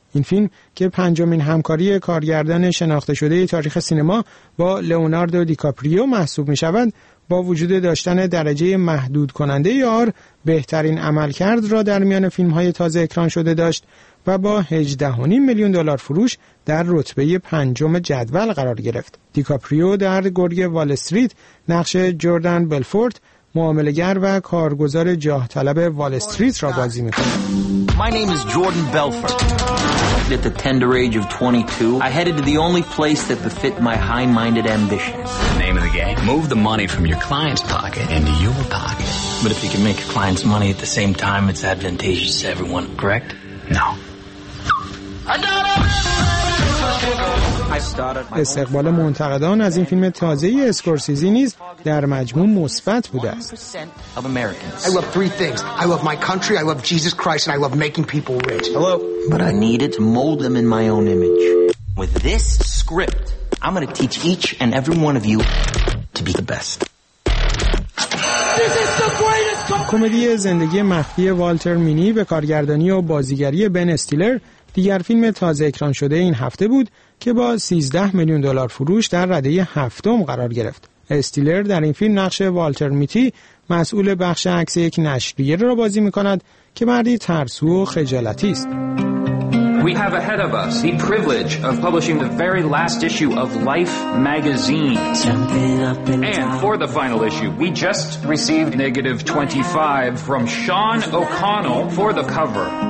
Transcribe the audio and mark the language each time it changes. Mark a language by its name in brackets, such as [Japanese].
[Persian] این فیلم که پنجمین همکاری کارگردان شناخته شده تاریخ سینما با لئوناردو دیکاپریو محسوب می‌شود، با وجود داشتن درجه محدود کننده آر، بهترین عملکرد را در میان فیلم‌های تازه اکران شده داشت و با 18.5 میلیون دلار فروش در رتبه پنجم جدول قرار گرفت. دیکاپریو در گرگ وال استریت نقش جوردن بلفورت، معامله‌گر و کارگزار جاه طلب وال استریت را بازی می‌کند. [English] My name is Jordan Belfort. At the tender age of 22, I headed to the only place that befit my high-minded ambitions. The name of the game? Move the money from your client's pocket into your pocket. But if you can make your client's money at the same time, it's advantageous to everyone, correct? No. [Persian] استقبال منتقدان از این فیلم تازه ای اسکورسیزی نیز در مجموع مثبت بوده است. [English] I love three things. I love my country, I love Jesus Christ and I love making people rich. Hello. But I needed to mold them in my own image. With this script, I'm going to teach each and every one of you to be the best. [Persian] کمدی زندگی مخفی والتر مینی به کارگردانی و بازیگری بن استیلر دیگر فیلم تازه اکران شده این هفته بود که با 13 میلیون دلار فروش در رده هفتم قرار گرفت. استیلر در این فیلم نقش والتر میتی، مسئول بخش عکس یک نشریه را بازی می‌کند که مردی ترسو و خجالتی است. [English] We have ahead of us the privilege of publishing the very last issue of Life magazine. And for the final issue, we just received negative 25 from Sean O'Connell for the cover.